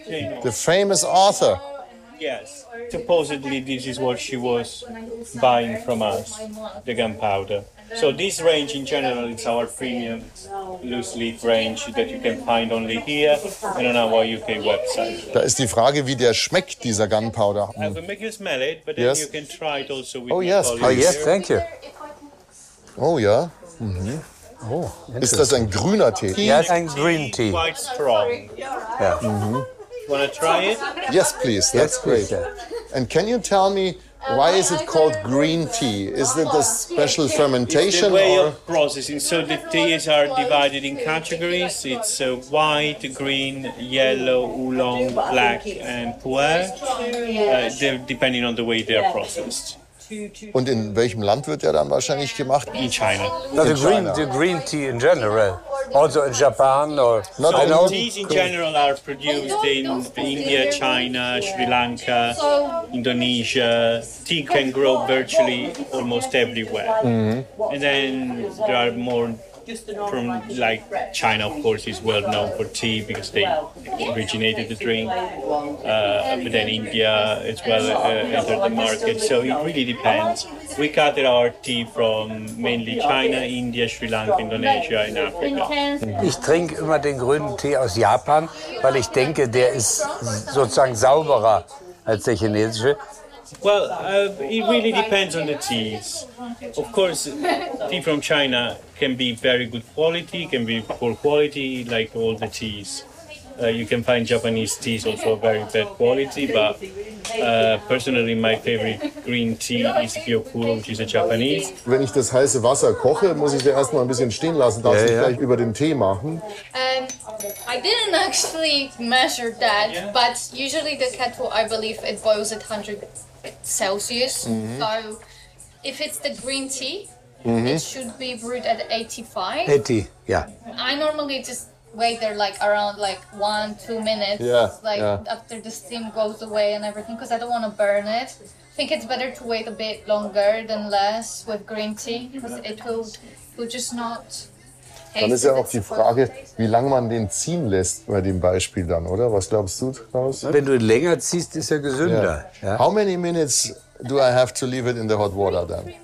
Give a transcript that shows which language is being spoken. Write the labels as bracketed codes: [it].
[en] Jane the famous author. Yes, supposedly this is what she was buying from us, the gunpowder. So this range in general is our premium loose leaf range that you can find only here and on our UK website. [de] Da ist die Frage, wie der schmeckt, dieser Gunpowder. [en] I will make you smell it, but then yes, you can try it also with oh, my yes, colleagues. Oh, yes, thank you. Oh, yeah. Mm-hmm. Oh, [de] ist das ein grüner Tee? Ja, [en] yes, ein green tea. Quite strong. Yeah. Mm-hmm. Wanna try it? Yes, please. That's yes, great. Please, yeah. And can you tell me why is it called green tea? Is it a special fermentation? It's the way or of processing. So the teas are divided in categories. It's white, green, yellow, oolong, black and pu'er, depending on the way they are processed. [de] Und in welchem Land wird der dann wahrscheinlich gemacht? [en] In China. No, the green tea in general. Also in Japan or... So teas in general are produced in India, China, Sri Lanka, Indonesia. Tea can grow virtually almost everywhere. Mm-hmm. And then there are more from like China, of course, is well known for tea because they originated the drink. But then India as well entered the market. So it really depends. We gather our tea from mainly China, India, Sri Lanka, Indonesia and Africa. [de] Ich trinke immer den grünen Tee aus Japan, weil ich denke, der ist sozusagen sauberer als der chinesische. [en] Well, it really depends on the teas. Of course, tea from China can be very good quality, can be poor quality, like all the teas. You can find Japanese teas also very bad quality, but personally my favorite green tea is Gyokuro, which is a Japanese. [de] Wenn ich das heiße Wasser koche, muss ich sie erst mal ein bisschen stehen lassen, darf ich gleich über den Tee machen. [en] I didn't actually measure that, but usually the kettle, I believe, it boils at 100 Celsius. Mm-hmm. So if it's the green tea, it should be brewed at 85. 80, yeah. I normally just wait there like around like 1-2 minutes, after the steam goes away and everything, because I don't want to burn it. I think it's better to wait a bit longer than less with green tea, because it will just not. [de] Dann ist ja auch die Frage, wie lange man den ziehen lässt bei dem Beispiel dann, oder? Was glaubst du, Klaus? Wenn du ihn länger ziehst, ist er gesünder. [en] Yeah. [de] Ja? [en] How many minutes do I have to leave it in the hot water then?